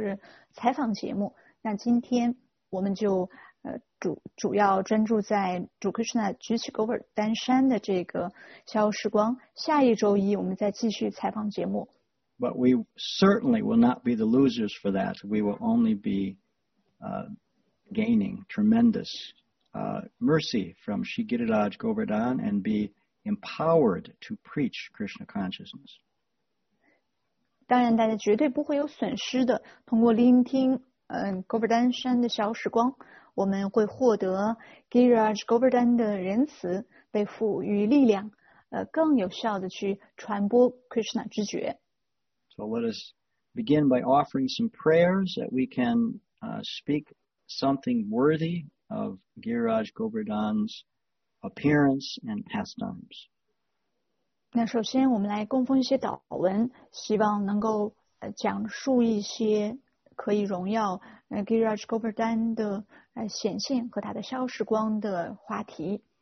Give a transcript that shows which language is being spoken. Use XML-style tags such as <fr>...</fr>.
<zh>那通常这段时间每周一早上我们都是采访节目，那今天我们就。主要专注在主 Krishna 举起Govardhan山的这个逍遥时光。下一周一我们再继续采访节目。</zh> <en>But we certainly will not be the losers for that. We will only be gaining tremendous mercy from Sri Giriraj Govardhan and be empowered to preach Krishna consciousness.</en> <zh>当然大家绝对不会有损失的，通过聆听Govardhan山的逍遥时光。我们会获得Giriraj Govardhan的仁慈被赋予力量, 更有效地去传播Krishna之觉。</zh> <en>So let us begin by offering some prayers that we can speak something worthy of Giriraj Govardhan's appearance and pastimes.</en> <zh>那首先我们来供奉一些祷文, 希望能够讲述一些 可以荣耀Giriraj Govardhan的显现和他的逍遥时光的话题。</zh>